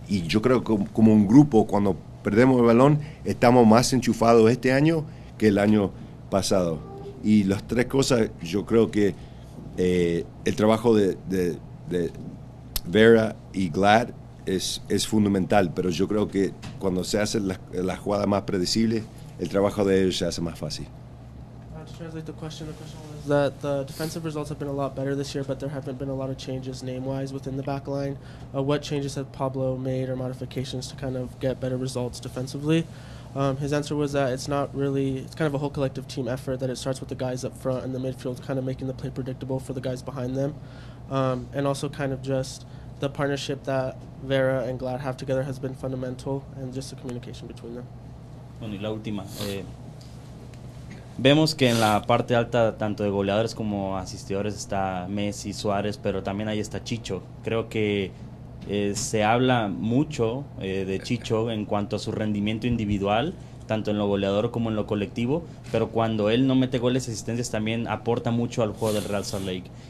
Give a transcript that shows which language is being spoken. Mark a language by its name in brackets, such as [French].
[Spanish] Y yo creo que como un grupo, cuando perdemos el balón, estamos más enchufados este año que el año pasado. Y las tres cosas, yo creo que el trabajo de Vera y Glad es fundamental. Pero yo creo que cuando se hace la jugada más predecible, el trabajo de ellos se hace más fácil. [English] That the defensive results have been a lot better this year, but there haven't been a lot of changes name-wise within the back line. What changes have Pablo made or modifications to kind of get better results defensively? His answer was that it's kind of a whole collective team effort, that it starts with the guys up front and the midfield kind of making the play predictable for the guys behind them. And also kind of just the partnership that Vera and Glad have together has been fundamental, and just the communication between them. [Spanish] Bueno, y la última. Vemos que en la parte alta, tanto de goleadores como asistidores, está Messi, Suárez, pero también ahí está Chicho. Creo que se habla mucho de Chicho en cuanto a su rendimiento individual, tanto en lo goleador como en lo colectivo, pero cuando él no mete goles y asistencias, también aporta mucho al juego del Real Salt Lake.